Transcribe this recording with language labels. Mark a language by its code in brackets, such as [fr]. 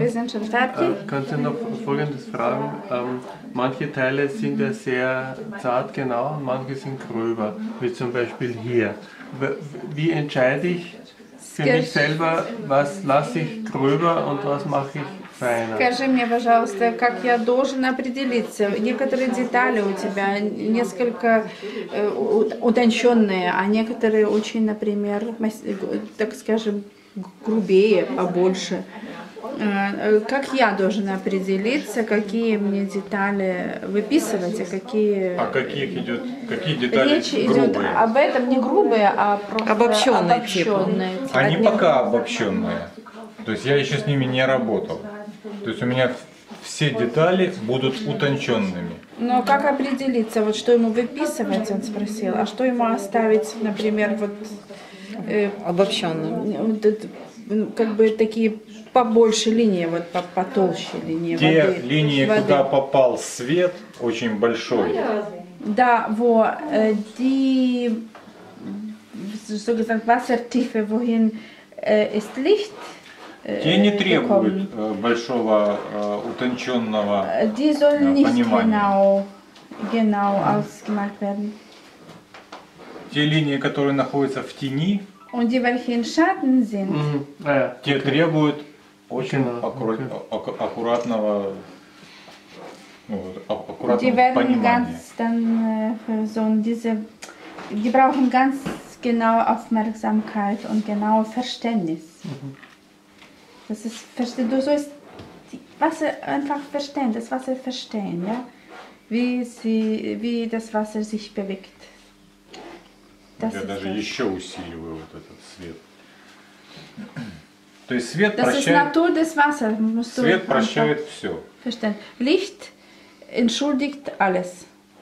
[de] Wir sind schon fertig. Kannst du noch Folgendes fragen? Manche Teile sind ja sehr zart, genau, und manche sind gröber, wie zum Beispiel hier. Wie entscheide ich für mich selber, was lasse ich gröber und was mache ich [ru] Скажи мне, пожалуйста, как я должен определиться? Некоторые детали у тебя несколько утонченные, а некоторые очень, например, так скажем, грубее, побольше. Как я должен определиться, какие мне детали выписывать, а какие... А каких идет, какие детали грубые? Речь идет об этом, не грубые, а просто обобщенные. Типа. Они пока обобщенные. То есть я еще с ними не работал. То есть у меня все детали будут утонченными. Но как определиться, вот что ему выписывать, он спросил, а что ему оставить, например, вот... обобщенным. Как бы такие... побольше линии, вот потолще линии. Те воды, линии, воды. Куда попал свет, очень большой. Да, вот. [de] Die, so gesagt, Wassertiefe, wohin ist Licht? [ru] Те не требуют [de] bekommen. [ru] Большого утонченного [de] die soll [ru] понимания. [de] Nicht genau ausgemacht werden. [ru] Те линии, которые находятся в тени, [de] und die, welche in Schatten sind, [ru] те okay. требуют очень аккуратного, аккуратного понимания. [de] Die brauchen ganz genau Aufmerksamkeit und genau Verständnis. Das ist, du sollst Wasser einfach verstehen, das Wasser verstehen, ja? Wie das Wasser sich bewegt. Das ist [ru] даже еще усиливаю вот этот свет. То есть свет прощает, свет прощает все. [de] Licht entschuldigt alles.